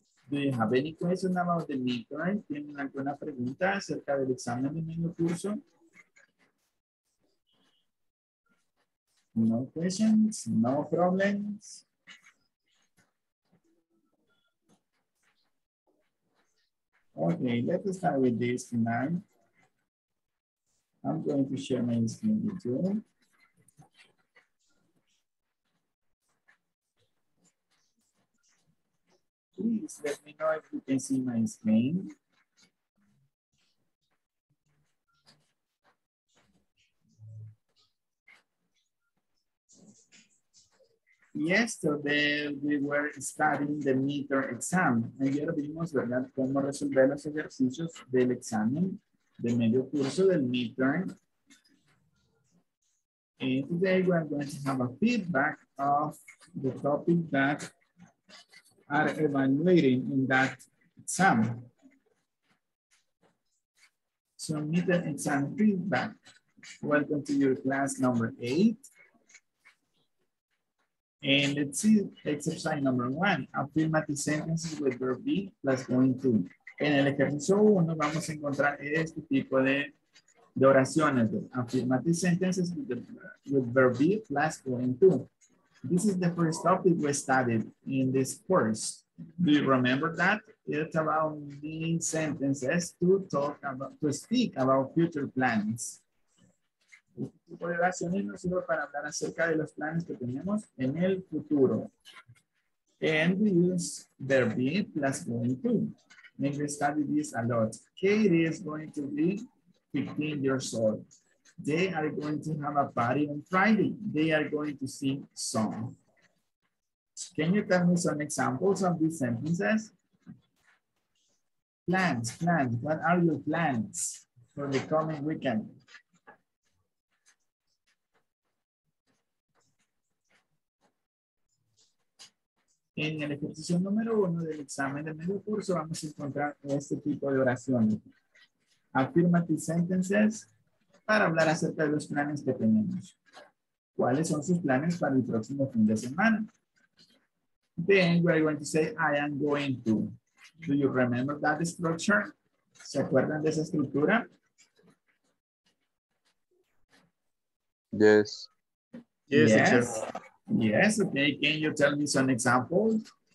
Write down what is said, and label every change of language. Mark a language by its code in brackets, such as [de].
[en] Do you have any question about the midterm? [es] ¿Tienen alguna pregunta acerca del examen de medio curso? [en] No questions, no problems. Okay, let's start with this tonight. I'm going to share my screen with you. Please let me know if you can see my screen. Yesterday we were studying the meter exam. [es] Ayer vimos, ¿verdad?, cómo resolver los ejercicios del examen de medio curso del midterm. [en] And today we are going to have a feedback of the topic that are evaluating in that exam. So midterm exam feedback. Welcome to your class number 8. And let's see exercise number 1, affirmative sentences with verb be plus going to. [es] En el ejercicio 1 vamos a encontrar este tipo de oraciones, de [en] affirmative sentences with verb be plus going to. This is the first topic we studied in this course. Do you remember that? It's about being sentences to talk about, to speak about future plans. [es] Este tipo de oraciones nos sirve para hablar acerca de los planes que tenemos en el futuro. [en] And we use verb be plus going to. And we study this a lot. Katie is going to be 15 years old. They are going to have a party on Friday. They are going to sing song. Can you tell me some examples of these sentences? Plans, plans. What are your plans for the coming weekend? [es] En el ejercicio número 1 del examen de medio curso vamos a encontrar este tipo de oraciones. [en] Affirmative sentences [es] para hablar acerca de los planes que tenemos. ¿Cuáles son sus planes para el próximo fin de semana? [en] Then we are going to say, I am going to. Do you remember that structure? [es] ¿Se acuerdan de esa estructura? [en] Yes. Yes. Yes. Yes, okay. Can you tell me some examples?